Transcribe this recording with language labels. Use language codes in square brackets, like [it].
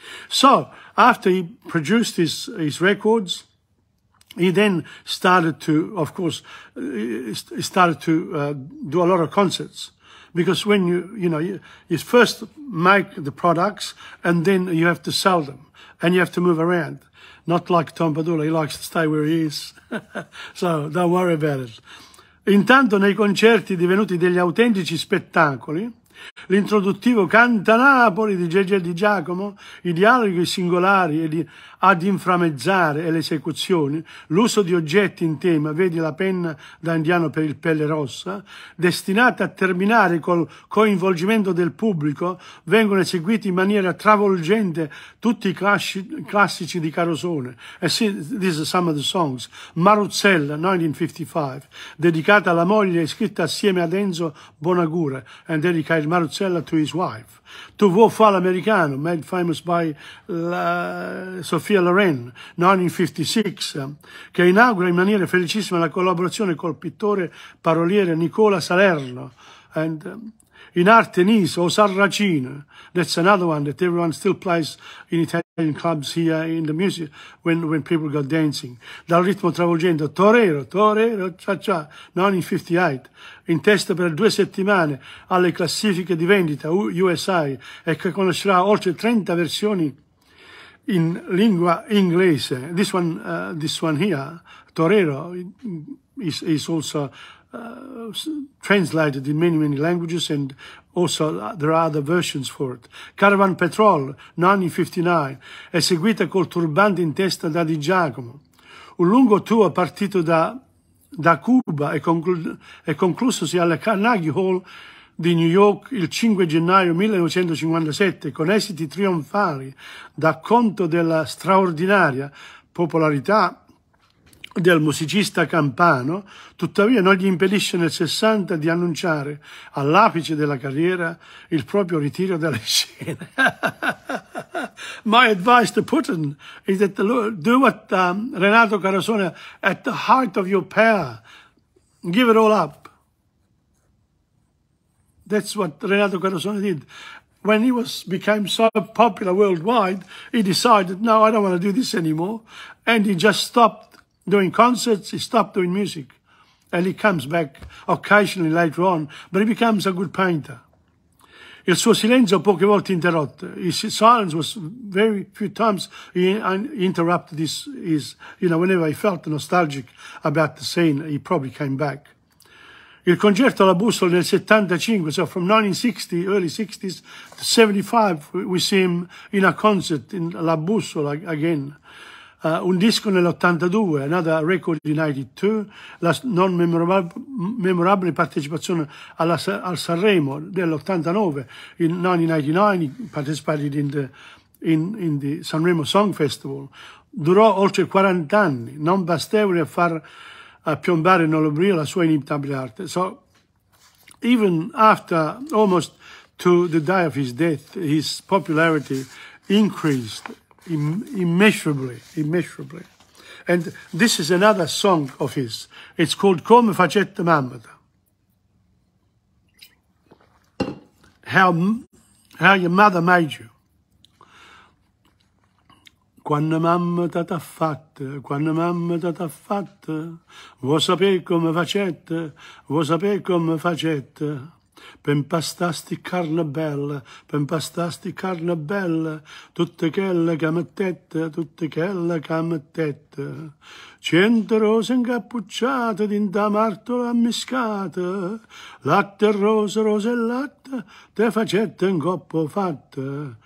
[en] So after he produced his records, he then started to do a lot of concerts, because when you first make the products and then you have to sell them and you have to move around. Not like TomPadula, he likes to stay where he is. So don't worry about it. [it] Intanto nei concerti divenuti degli autentici spettacoli, l'introduttivo Canta Napoli di Gigi Di Giacomo, i dialoghi singolari ad inframmezzare e le esecuzioni, l'uso di oggetti in tema, vedi la penna da indiano per il pelle rossa, destinata a terminare col coinvolgimento del pubblico, vengono eseguiti in maniera travolgente tutti i classici di Carosone. [en] These are some of the songs. [it] Maruzzella, 1955, dedicata alla moglie e scritta assieme ad Enzo Bonagura, [en] and dedicated Maruzzella to his wife. [it] Tu vuoi fare l'americano, [en] made famous by Sophia Loren, [it] 1956, che inaugura in maniera felicissima la collaborazione col pittore paroliere Nicola Salerno. [en] And in arte Nice, o Sarracino, that's another one that everyone still plays in Italian clubs here in the music when people go dancing. [it] Dal ritmo travolgente, Torero, cha-cha, 1958. In testa per due settimane alle classifiche di vendita USA e che conoscerà oltre 30 versioni in lingua inglese. [en] This one here, Torero, is also translated in many languages, and also there are other versions for it. [it] Caravan Petrol, 1959, eseguita col turbante in testa da Di Giacomo. Un lungo tour partito da Cuba e conclusosi alla Carnegie Hall di New York il 5 gennaio 1957 con esiti trionfali, da conto della straordinaria popolarità del musicista campano, tuttavia non gli impedisce nel 60 di annunciare all'apice della carriera il proprio ritiro dalle scene. [en] My advice to Putin is that do what Renato Carosone, at the height of your power, give it all up. That's what Renato Carosone did. When he was became so popular worldwide, he decided, no, I don't want to do this anymore. And he just stopped doing concerts, he stopped doing music. And he comes back occasionally later on, but he becomes a good painter. [it] Il suo silenzio poche volte interrotto. [en] His silence was very few times he interrupted his, you know, whenever he felt nostalgic about the scene, he probably came back. [it] Il concerto alla bussola nel 75, [en] so from 1960, early 60s, to 75, we see him in a concert in La Bussola again. [it] Un disco nell'82, [en] another record in 82, [it] la non memorabile partecipazione al Sanremo dell'89. [en] In 1989 he participated in the Sanremo Song Festival. [it] Durò oltre 40 anni, non bastevole a far piombare nell'oblio la sua inimitabile arte. [en] So, even after, almost to the day of his death, his popularity increased immeasurably. And this is another song of his. It's called Come Facette Mamma. How your mother made you. [nap] Quando mamma ti ha fatto, quando mamma ti ha fatto, vuoi sapere come facette, vuoi sapere come facette, per impastasti carne bella, per impastasti carne bella, tutte quelle che mettette, tutte quelle che mettette, cento rose incappucciate, dinta martola ammiscate, latte rosa, rosa e latte, te facette un coppo fatte.